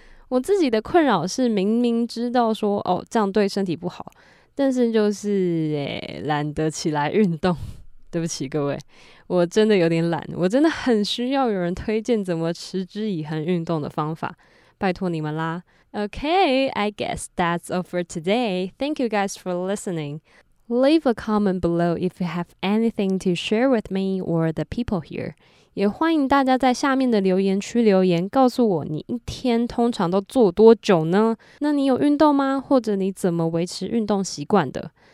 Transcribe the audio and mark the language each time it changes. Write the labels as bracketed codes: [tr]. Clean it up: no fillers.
[zh] 我自己的困扰是明明知道说哦这样对身体不好，但是就是懒得起来运动。对不起各位，我真的有点懒，我真的很需要有人推荐怎么持之以恒运动的方法，拜托你们啦。 [en] OK, I guess that's all for today. Thank you guys for listening. Leave a comment below if you have anything to share with me or the people here. [zh] 也欢迎大家在下面的留言区留言，告诉我你一天通常都做多久呢？那你有运动吗？或者你怎么维持运动习惯的？